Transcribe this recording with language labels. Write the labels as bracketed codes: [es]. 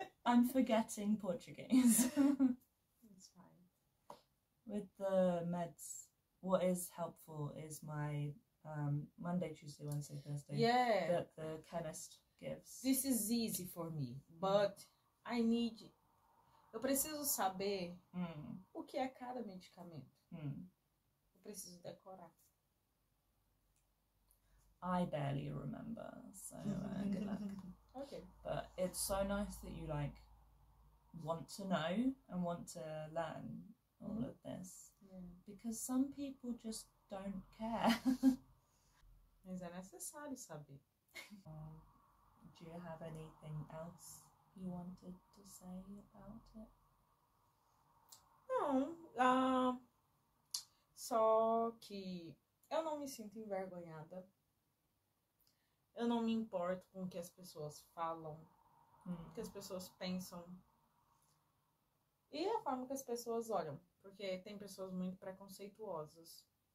[en] I'm forgetting Portuguese. With the meds, what is helpful is my Monday, Tuesday, Wednesday, Thursday Yeah, that the chemist gives. this is easy for me, but I need. [pt] Eu preciso saber o que é cada medicamento. Eu preciso decorar. [en] I barely remember, so good luck. Okay. But it's so nice that you like want to know and want to learn all of this because some people just don't care. [pt] Mas é necessário saber. [en] Do you have anything else you wanted to say about it? [pt] Não, ah, só que eu não me sinto envergonhada. Eu não me importo com o que as pessoas falam, o que as pessoas pensam e a forma que as pessoas olham, porque tem pessoas muito preconceituosas.